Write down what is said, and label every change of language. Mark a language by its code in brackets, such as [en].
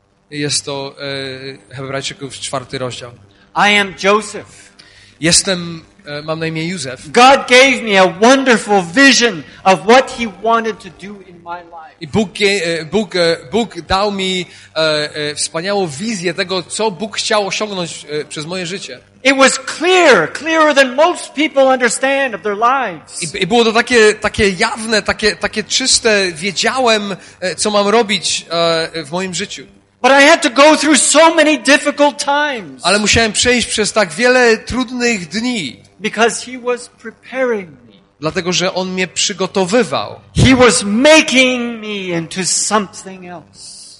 [pl] Jest to Hebrajczyków 4 rozdział. [en] I am Joseph. [pl] Jestem, mam na imię Józef. [en] God gave me a wonderful vision of what he wanted to do in my life. [pl] I Bóg dał mi wspaniałą wizję tego, co Bóg chciał osiągnąć przez moje życie. [en] It was clear, clearer than most people understand of their lives. [pl] I było to takie jawne, takie czyste. Wiedziałem, co mam robić w moim życiu. [en] But I had to go through so many difficult times. [pl] Ale musiałem przejść przez tak wiele trudnych dni. [en] Because he was preparing me. [pl] Dlatego, że on mnie przygotowywał. [en] He was making me into something else.